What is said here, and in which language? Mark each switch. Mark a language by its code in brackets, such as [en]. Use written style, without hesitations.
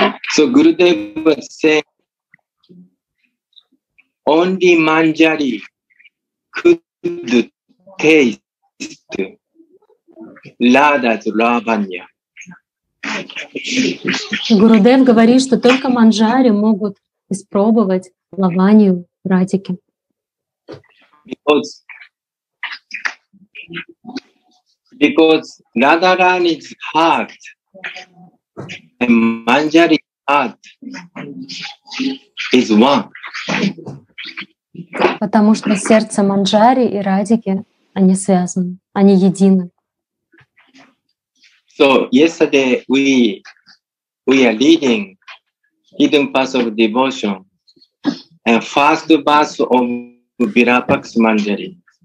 [en] So Gurudev was saying only Manjari could taste Radha's Lavanya. [ru] Gurudev говорит, что только Манджари могут испробовать лаванию Радики. [en] Because Radharani's heart and Manjari's heart is one. [ru] Потому что сердце Манджари и Радики, они связаны, они едины. [en] So yesterday we are leading hidden path of devotion and first verse of Virapaks Manjari.